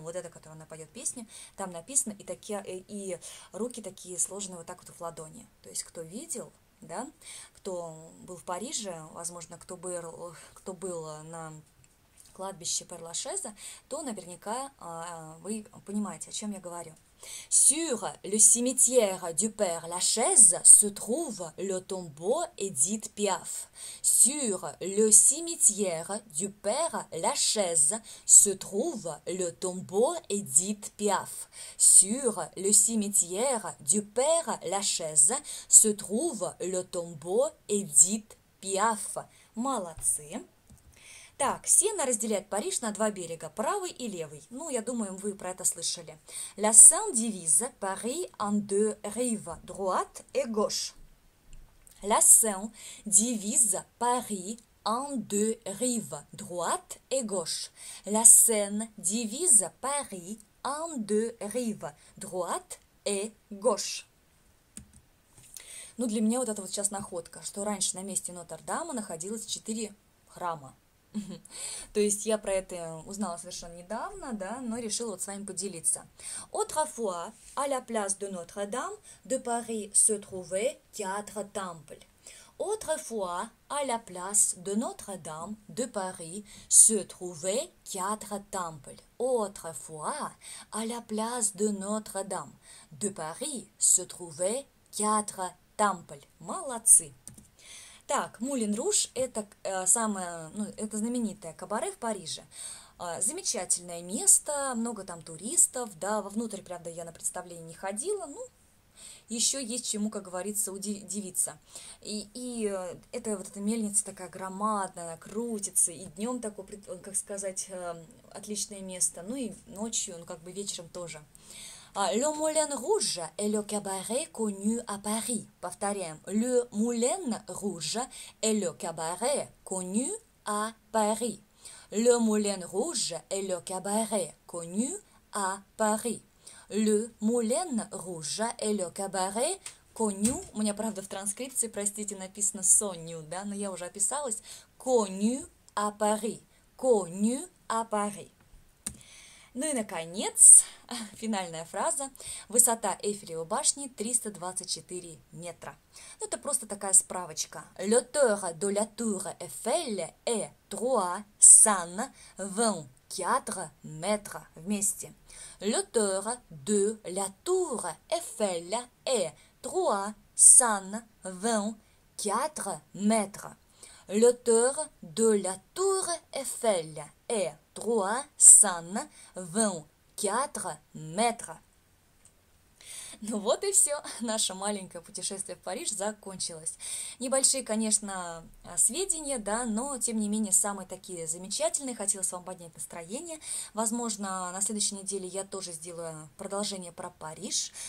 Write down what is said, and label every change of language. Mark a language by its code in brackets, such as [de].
[ru] Вот это, которое она поет песню, там написано, и такие, и руки такие сложены вот так вот в ладони. То есть, кто видел, да, кто был в Париже, возможно, кто был на кладбище Пер-Лашеза, то наверняка вы понимаете, о чем я говорю. [fr] Sur le cimetière du Père Lachaise se trouve le tombeau Édith Piaf. Sur le cimetière du Père Lachaise se trouve le tombeau Édith Piaf. Sur le cimetière du Père Lachaise se trouve le tombeau Édith Piaf. [ru] Молодцы. Так, Сена разделяет Париж на два берега, правый и левый. Ну, я думаю, вы про это слышали. [fr] La Seine divise Paris en deux rives, droite et gauche. La Seine divise Paris en deux rives, droite et gauche. La Seine divise Paris en deux rives, droite et gauche. [ru] Ну, для меня вот эта вот сейчас находка, что раньше на месте Нотр-Дама находилось четыре храма. То есть я про это узнала совершенно недавно, да, но решила вот с вами поделиться. [fr] Autrefois, à la place de Notre-Dame de Paris se trouvait Théâtre Temple. Autrefois, à la place de Notre-Dame de Paris se trouvait Théâtre Temple. Autrefois, à la place de Notre-Dame de Paris se trouvait Théâtre Temple. [ru] Молодцы. Так, Мулен Руж – это самое, ну, это знаменитое кабаре в Париже. Замечательное место, много там туристов, да, вовнутрь, правда, я на представление не ходила, ну, еще есть чему, как говорится, удивиться. И это вот эта мельница такая громадная, она крутится, и днем такое, как сказать, отличное место, ну и ночью, ну, как бы вечером тоже. [fr] Le Moulin Rouge est le cabaret connu à Paris. [ru] Повторяем. [fr] Le Moulin Rouge est le cabaret connu à Paris. Le Moulin Rouge est le cabaret connu à Paris. Le Moulin Rouge est le cabaret connu. [ru] У меня, правда, в транскрипции, простите, написано Соню, да, но я уже описалась. [fr] Connu à Paris. Connu à Paris. [ru] Ну и, наконец, финальная фраза. Высота Эйфелевой башни 324 метра. Ну, это просто такая справочка. [fr] L'auteur de la tour Eiffel est 324 [ru] метра вместе. [fr] L'auteur de la tour Eiffel est 324 [ru] метра. [fr] L'auteur de la tour Eiffel est 324 [ru] метра. Ну вот и все, наше маленькое путешествие в Париж закончилось. Небольшие, конечно, сведения, да, но, тем не менее, самые такие замечательные. Хотелось вам поднять настроение. Возможно, на следующей неделе я тоже сделаю продолжение про Париж.